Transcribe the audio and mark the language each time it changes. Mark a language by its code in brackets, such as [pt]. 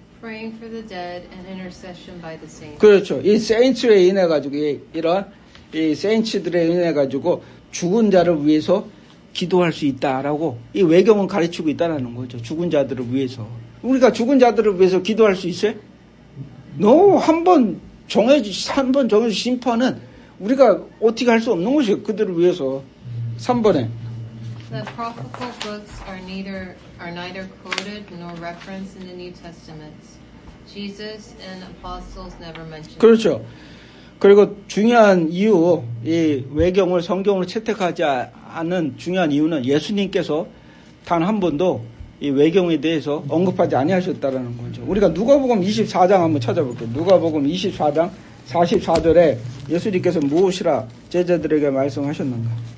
[en] Praying for the dead and intercession by the saints. [ko] 그렇죠. 이 세인츠에 인해 가지고 이런 이 세인츠들에 인해 가지고 죽은 자를 위해서 기도할 수 있다라고 이 외경은 가르치고 있다라는 거죠. 죽은 자들을 위해서. 우리가 죽은 자들을 위해서 기도할 수 있어요? No, 한번 정해진 심판은 우리가 어떻게 할 수 없는 것이에요. 그들을 위해서. 3번에. [en] The prophetical books are neither quoted nor referenced in the New Testament. Jesus and apostles never mentioned. [ko] 그렇죠. 그리고 중요한 이유, 이 외경을 성경으로 채택하지 않은 중요한 이유는 예수님께서 단 한 번도 이 외경에 대해서 언급하지 아니하셨다라는 거죠. 우리가 누가복음 24장 한번 찾아볼게요. 누가복음 24장 44절에 예수님께서 무엇이라 제자들에게 말씀하셨는가?